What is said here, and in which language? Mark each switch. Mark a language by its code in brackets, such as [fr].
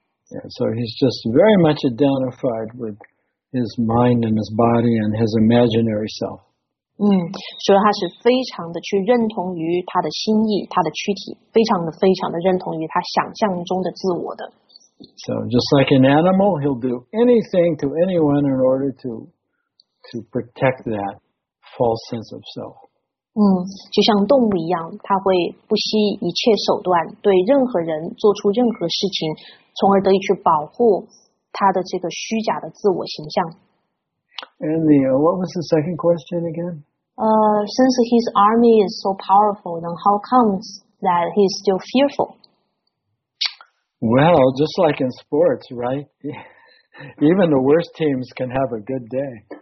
[en] Yeah, so he's just very much identified withhis mind and his body and his imaginary self. [zh] 所以他是非常的去认同于他的心意，他的躯体，非常的非常的认同于他想象中的自我的。 [en] So just like an animal, he'll do anything to anyone in order to protect that false sense of self. [zh] 就像动物一样，他会不惜一切手段对任何人做出任何事情，从而得以去保护他的这个虚假的自我形象。 [en] And the, what was the second question again? Since his army is so powerful, then how comes that he is still fearful. Well, just like in sports, right? Even the worst teams can have a good day.